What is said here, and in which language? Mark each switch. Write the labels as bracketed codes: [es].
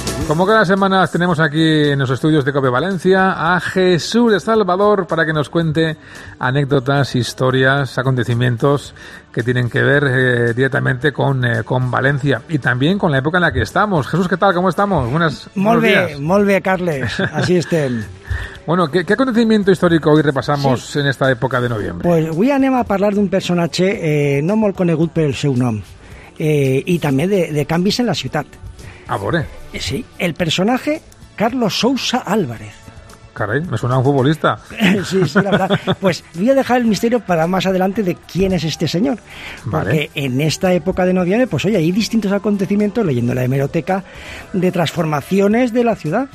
[es] Como cada semana tenemos aquí en los estudios de COPE Valencia a Jesús de Salvador para que nos cuente anécdotas, historias, acontecimientos que tienen que ver directamente con Valencia y también con la época en la que estamos. Jesús, ¿qué tal? ¿Cómo estamos? [ca] Molt bé, Carles. Así estén. [es] Bueno, ¿qué acontecimiento histórico hoy repasamos en esta época de noviembre? Pues hoy [ca] anem a parlar d'un personatge no molt conegut pel seu nom i també de canvis en la ciutat. A veure. [es] Sí, el personaje Carlos Sousa Álvarez. Caray, me suena a un futbolista. Sí, sí, la verdad. Pues voy a dejar el misterio para más adelante de quién es este señor. Porque vale. En esta época de noviembre, pues oye, hay distintos acontecimientos, leyendo la hemeroteca, de transformaciones de la ciudad.